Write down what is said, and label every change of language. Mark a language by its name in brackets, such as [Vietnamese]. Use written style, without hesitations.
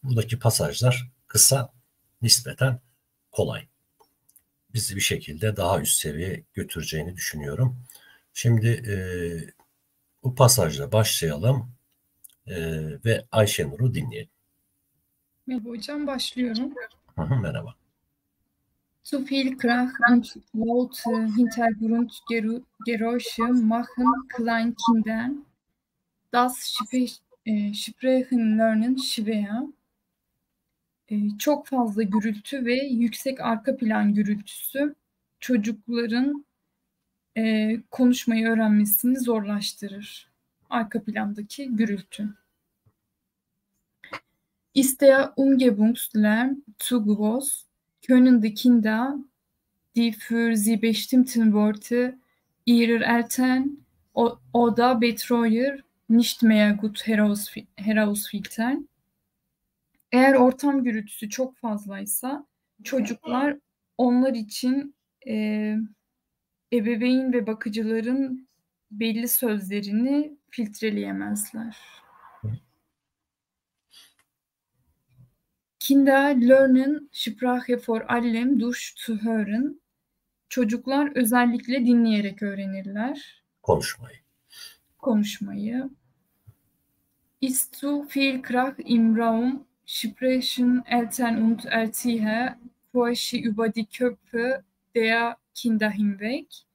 [Turkish] Buradaki pasajlar kısa, nispeten kolay. Bizi bir şekilde daha üst seviyeye götüreceğini düşünüyorum. Şimdi bu pasajla başlayalım ve Ayşenur'u dinleyelim. Merhaba hocam, başlıyorum. Merhaba. [German] Zu viel Krach und Laut Hintergrund Geräusche machen kleinen Kindern das Sprechenlernen schwer. [Turkish] Çok fazla gürültü ve yüksek arka plan gürültüsü çocukların konuşmayı öğrenmesini zorlaştırır. Arka plandaki gürültü. [German] Ist der Umgebungslärm zu groß, können die Kinder die für sie bestimmten Worte ihrer Eltern oder Betreuer nicht mehr gut herausfiltern. [Turkish] Eğer ortam gürültüsü çok fazlaysa, çocuklar onlar için ebeveyn ve bakıcıların belli sözlerini filtreleyemezler. [German] Kinder lernen Sprache vor allem durch zu hören. [Turkish] Çocuklar özellikle dinleyerek öğrenirler. Konuşmayı. Konuşmayı. [German] Ist zu viel Krach im Raum, sprechen Eltern und Erzieher quasi über die Köpfe der Kinder hinweg.